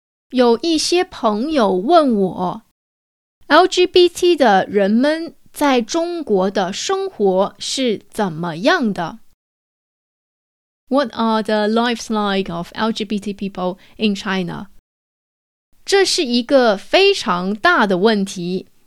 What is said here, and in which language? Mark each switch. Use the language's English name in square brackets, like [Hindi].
[Chinese] 有一些朋友问我LGBT 的人们在中国的生活是怎么样的？ [English] What are the lives like of LGBT people in China? [Chinese] 这是一个非常大的问题。